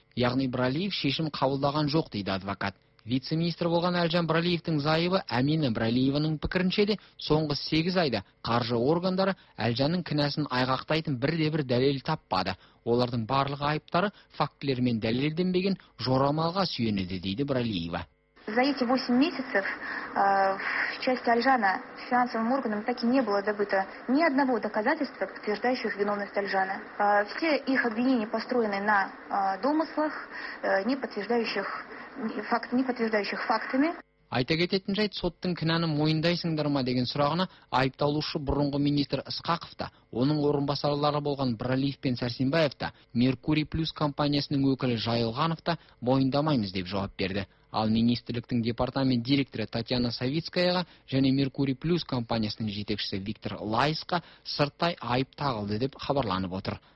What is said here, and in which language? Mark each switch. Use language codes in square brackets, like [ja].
[kk] Яғни Бралиев шешім қабылдаған жоқ, дейді адвокат. Вице-министр болған Әлжан Бралиевтің зайыбы Әмина Бралиеваның пікірінше де соңғы 8 айда қаржы органдары Әлжанның кінәсін айғақтайтын бірде-бір дәлел таппады. Олардың барлығы айыптары фактілермен дәлелденбеген жорамалға сүйенеді, дейді Бралиева. [ru] За эти 8 месяцев в части Альжана финансовым органам так и не было добыто ни одного доказательства, подтверждающих виновность Альжана. Все их обвинения построены на домыслах, не подтверждающих фактами. [kk] Айта кететін жайт, соттың кінәні мойындайсыңдар ма деген сұрағына айыпталушы бұрынғы министр Ысқақов та, оның орынбасарлары болған Бралиев пен Сәрсенбаев та, Меркурий Плюс компаниясының өкілі Жайылғанов та мойындамаймыз деп жауап берді. Ал министрліктің департамент директоры Татьяна Савицкаяға және Меркурий Плюс компаниясының жетекшісі Виктор Лайсқа сырттай айып тағылды деп хабарланып отыр.